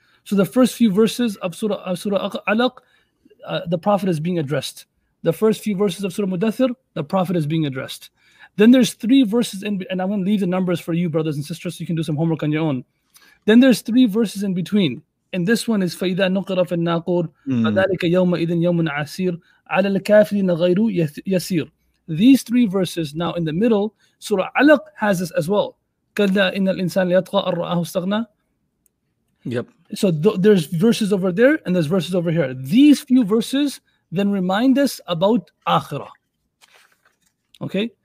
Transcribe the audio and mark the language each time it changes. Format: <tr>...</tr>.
<en>So the first few verses of Surah Alaq, the Prophet is being addressed. The first few verses of Surah Mudathir, the Prophet is being addressed. Then there's three verses, and I'm going to leave the numbers for you, brothers and sisters, so you can do some homework on your own. Then there's three verses in between. And this one is</en> <ar>فَإِذَا نُقِرَ فِي النَّاقُورِ فَذَلِكَ يَوْمَ إِذٍ يَوْمٌ عَسِيرٌ عَلَى الْكَافِرِينَ غَيْرُ يَسِيرٌ.</ar> <en>These three verses, now in the middle, Surah Alaq has this as well.</en> <ar>كَلَّا إِنَّ الْإِنسَانَ لَيَطْغَى أَنْ رَآهُ اسْتَغْنَى.</ar> <en>Yep. So there's verses over there and there's verses over here. These few verses then remind us about Akhirah. Okay?</en>